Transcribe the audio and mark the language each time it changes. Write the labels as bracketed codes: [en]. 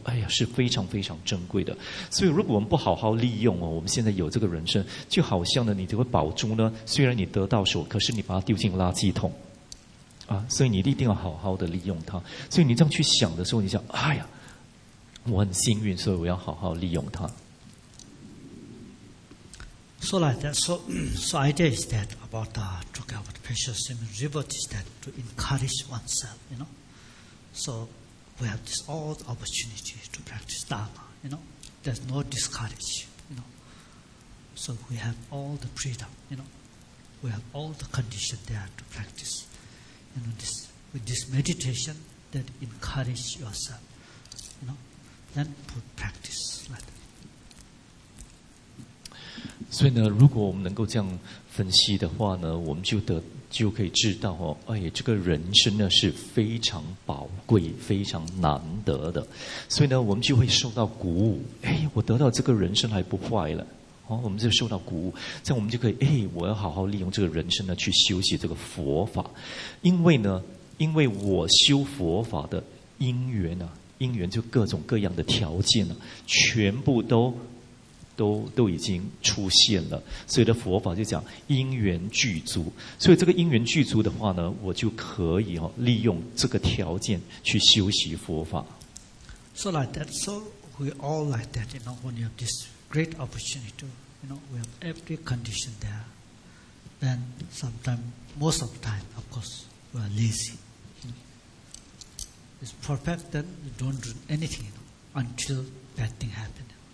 [zh] 哎呀，是非常非常珍贵的。所以如果我们不好好利用哦，我们现在有这个人生，就好像呢，你这个宝珠呢，虽然你得到手，可是你把它丢进垃圾桶啊。所以你一定要好好的利用它。所以你这样去想的时候，你想，哎呀。我很幸运，所以我要好好利用它。 [en] So like that, so idea is that about talking about precious human rebirth is that to encourage oneself, you know. So we have this all the opportunity to practice Dharma, you know. There's no discourage, you know. So we have all the freedom, you know. We have all the condition there to practice, you know. This with this meditation that encourage yourself, you know. Then put practice like that. [zh] 所以呢，如果我们能够这样分析的话呢，我们就可以知道哦，哎，这个人生呢是非常宝贵、非常难得的。所以呢，我们就会受到鼓舞。哎，我得到这个人生还不坏了，哦，我们就受到鼓舞，这样我们就可以，哎，我要好好利用这个人生呢去修习这个佛法，因为呢，因为我修佛法的因缘呢。因缘就各种各样的条件了，全部都已经出现了，所以的佛法就讲因缘具足，所以这个因缘具足的话呢，我就可以哦利用这个条件去修习佛法。 [en] So like that, so we all like that, you know, when you have this great opportunity, to, you know, we have every condition there. Then sometimes, most of the time, of course, we are lazy. It's perfect, then you don't do anything, you know, until bad thing happens.